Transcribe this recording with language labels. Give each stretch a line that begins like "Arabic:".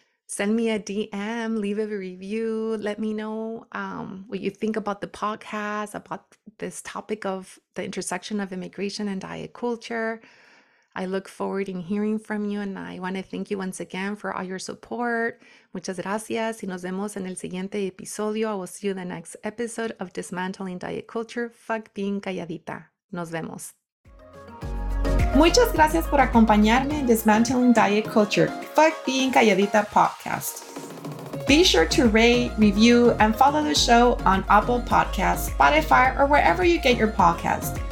English: Send me a DM, leave a review, let me know what you think about the podcast, about this topic of the intersection of immigration and diet culture. I look forward in hearing from you, and I want to thank you once again for all your support.
Spanish: Muchas gracias, y nos vemos en el siguiente episodio.
English: I will see you in the next episode of Dismantling Diet Culture, Fuck Being Calladita.
Spanish: Nos vemos. Muchas gracias por acompañarme en Dismantling Diet Culture, Fuck Being Calladita podcast.
English: Be sure to rate, review, and follow the show on Apple Podcasts, Spotify, or wherever you get your podcasts.